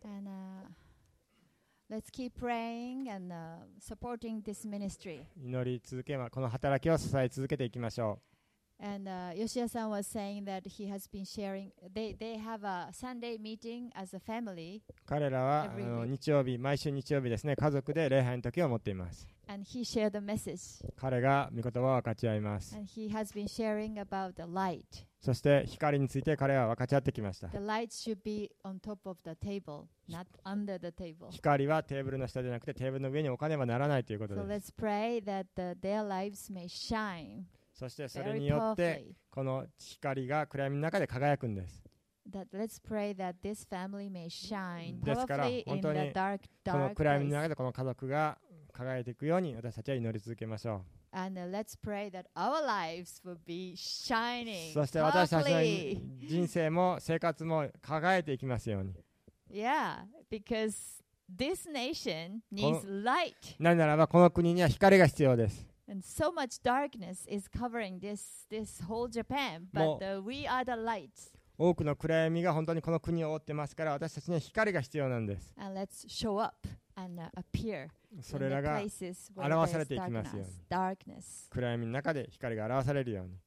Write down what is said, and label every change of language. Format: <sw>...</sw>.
<en>And, let's keep praying and, supporting this ministry.</en> <ja>祈り続け、この働きを支え続けていきましょう。</ja> <en>And, Yoshia さんは saying that he has been sharing, they have a Sunday meeting as a family.</en> <ja>彼らは日曜日、毎週日曜日ですね、家族で礼拝の時を持っています。</ja> <en>And he shared the message.</en> <ja>彼が御言葉を分かち合います。</ja> <en>And he has been sharing about the light.</en> <ja>そして光について彼は分かち合ってきました。</ja> <en>The light should be on top of the table, not under the table.</en> <ja>光はテーブルの下でなくてテーブルの上に置かねばならないということです。</ja> <en>So let's pray that the, their lives may shine.</en> <ja>そしてそれによってこの光が暗闇の中で輝くんです。</ja> <en>That let's pray that this family may shine.</en> <ja>ですから本当にこの暗闇の中でこの家族が輝いていくように私たちは祈り続けましょう。</ja> <en>And let's pray that our lives will be shining.</en> <ja>そして私たちの人生も生活も輝いていきますように。</ja> <en>Yeah, because this nation needs light.</en> <ja>なぜならばこの国には光が必要です。</ja> <en>And so much darkness is covering this whole Japan, but we are the light.</en> <ja>多くの暗闇が本当にこの国を覆ってますから私たちには光が必要なんです。</ja> <en>And let's show up and appear.</en> <ja>それらが表されていきますように。暗闇の中で光が表されるように。</ja>